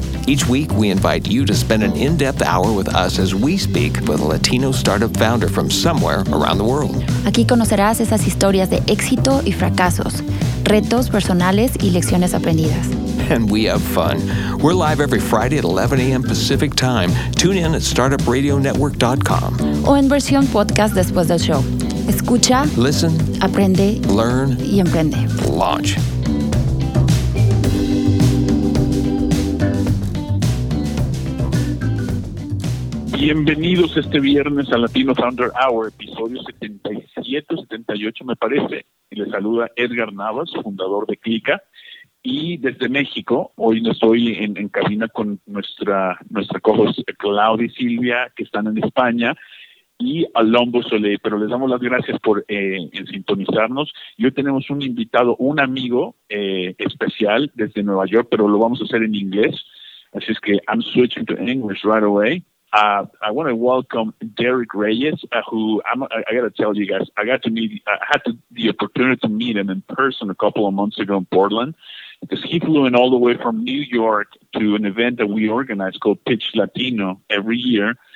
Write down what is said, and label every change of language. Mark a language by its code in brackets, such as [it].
[en] Each week, we invite you to spend an in-depth hour with us as we speak with a Latino startup founder from somewhere around the world. [es] Aquí conocerás esas historias de éxito y fracasos, retos personales y lecciones aprendidas. [en] And we have fun. We're live every Friday at 11 a.m. Pacific time. Tune in at startupradionetwork.com. [es] O en versión podcast después del show. Escucha. [en] Listen. [es] Aprende. [en] Learn. [es] Y emprende. [en] Launch. [es] Bienvenidos este viernes a Latino Founder Hour, episodio 77, 78 me parece. Y les saluda Edgar Navas, fundador de Clica. Y desde México, hoy no estoy en cabina con nuestra co-host Claudia y Silvia, que están en España, y Alombo Solé. Pero les damos las gracias por sintonizarnos. Y hoy tenemos un invitado, un amigo especial desde Nueva York, pero lo vamos a hacer en inglés. Así es que [en] I'm switching to English right away. I want to welcome Derek Reyes, I got to tell you guys, I had the opportunity to meet him in person a couple of months ago in Portland, because he flew in all the way from New York to an event that we organize called Pitch Latino every year.